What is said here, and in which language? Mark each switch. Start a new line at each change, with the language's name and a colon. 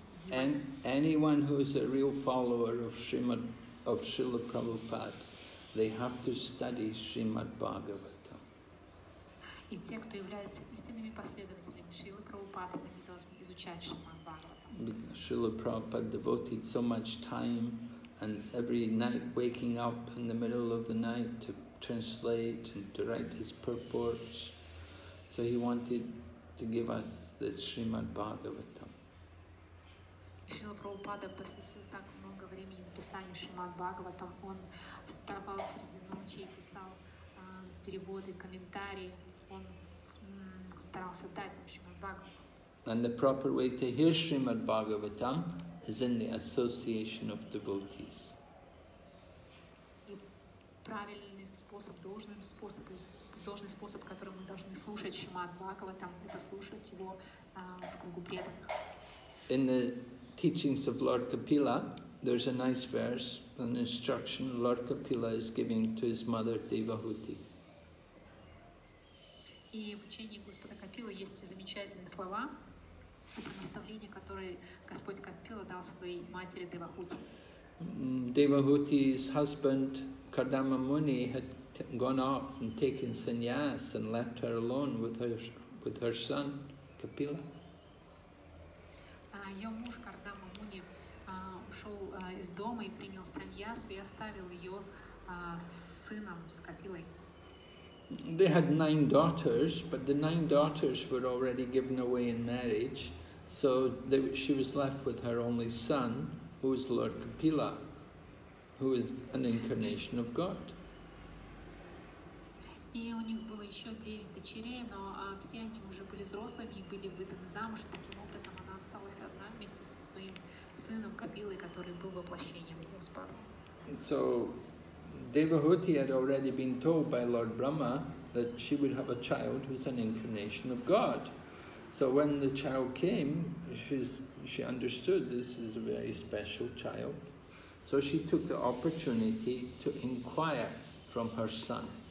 English: And anyone who is a real follower of Srila Prabhupada, they have to study Srimad Bhagavatam.
Russian: И те, кто являются истинными последователями Шрилы Прабхупады, они должны изучать Шримад Бхагаватам.
English: Srila Prabhupada devoted so much time, and every night waking up in the middle of the night to translate and to write his purports. So he wanted to give us the Srimad Bhagavatam.
Russian: Шрила Прабхупада посвятил так много времени написанию Шримад Бхагаватам. Он вставал среди ночи и писал переводы, комментарии. Он старался дать нам Шримад Бхагаватам.
English: And the proper way to hear Шримад Бхагаватам is in the association of devotees.
Russian: И правильный способ, должный способ, который мы должны слушать Шримад Бхагаватам, это слушать его в кругу преданных.
English: In the teachings of Lord Kapila, there's a nice verse, an instruction Lord Kapila is giving to his mother Devahuti.
Russian: И в учении Господа Капила есть замечательные слова, наставления, которые Господь Капила дал своей матери Девахути.
English: Devahuti's husband Kardama Muni had gone off and taken sannyas and left her alone with her son Kapila.
Russian: Ее муж Кардама Муни ушел из дома и принял саньясу, и оставил ее с сыном, с Капилой.
English: They had 9 daughters, but the 9 daughters were already given away in marriage, so she was left with her only son, who is Lord Kapila, who is an incarnation of God.
Russian: И у них было еще 9 дочерей, но все они уже были взрослыми и были выданы замуж, и таким образом она осталась одна вместе со своим сыном Капилой, который был воплощением Господа.
English: So, Devahuti had already been told by Lord Brahma that she would have a child who's an incarnation of God. So when the child came, she understood this is a very special child. So she took the opportunity to inquire from her son.